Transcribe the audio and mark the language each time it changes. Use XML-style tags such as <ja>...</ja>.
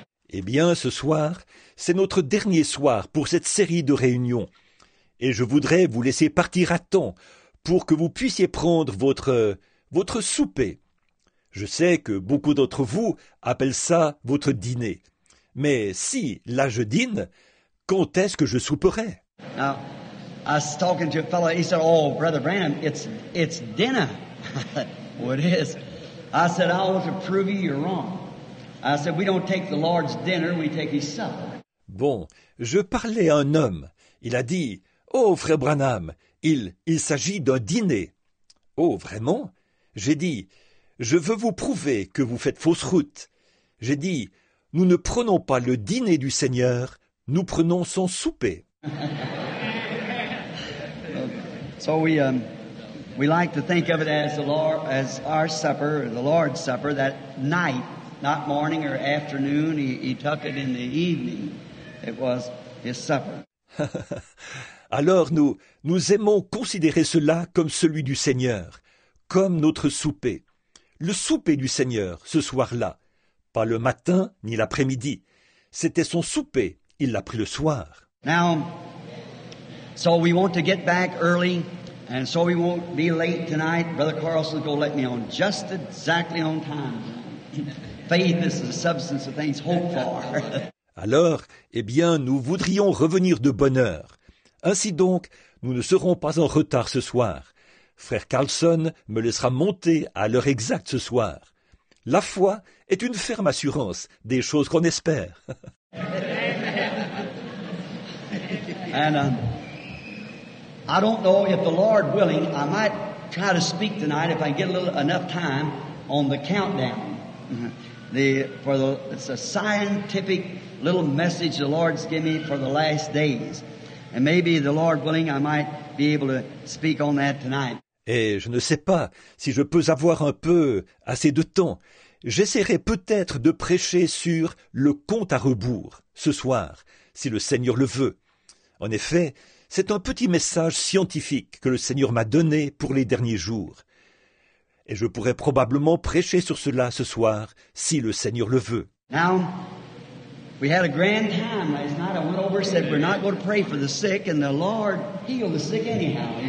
<fr>Eh bien, ce soir, c'est notre dernier soir pour cette série de réunions, et je voudrais vous laisser partir à temps pour que vous puissiez prendre votre souper. Je sais que beaucoup d'entre vous appellent ça votre dîner. Mais si, là, je dîne, quand est-ce que je souperai?</fr> <en>Now, I was talking to a fellow, he said, oh, Brother Branham, it's dinner. What is? I said, I want to prove you you're wrong. I said, we don't take the Lord's dinner, we take his supper.</en> <fr>Bon, je parlais à un homme. Il a dit, oh, Frère Branham, Il s'agit d'un dîner. Oh, vraiment? J'ai dit, je veux vous prouver que vous faites fausse route. J'ai dit, nous ne prenons pas le dîner du Seigneur, nous prenons son souper.</fr> <en>So we like to think of it as the Lord, as our supper, the Lord's supper, that night, not morning or afternoon, he took it in the evening. It was his supper.</en> <fr>Alors nous aimons considérer cela comme celui du Seigneur, comme notre souper. Le souper du Seigneur, ce soir-là, pas le matin ni l'après-midi. C'était son souper, il l'a pris le soir.</fr> <en>Now, so we want to get back early, and so we won't be late tonight. Brother Carlson will let me on just exactly on time. Faith is the substance of things hoped for.</en> <fr>Alors, eh bien, nous voudrions revenir de bonne heure. Ainsi donc, nous ne serons pas en retard ce soir. Frère Carlson me laissera monter à l'heure exacte ce soir. La foi est une ferme assurance des choses qu'on espère.</fr> <en>And I don't know if the Lord willing, I might try to speak tonight if I get a little enough time on the countdown. It's a scientific little message the Lord's given me for the last days. And maybe the Lord willing, I might be able to speak on that tonight.</en> <fr>Et je ne sais pas si je peux avoir un peu assez de temps. J'essaierai peut-être de prêcher sur le compte à rebours ce soir, si le Seigneur le veut. En effet, c'est un petit message scientifique que le Seigneur m'a donné pour les derniers jours. Et je pourrai probablement prêcher sur cela ce soir, si le Seigneur le veut.</fr> <en>Now, we had a grand time last night. I went over and said, we're not going to pray for the sick, and the Lord healed the sick anyhow.</en>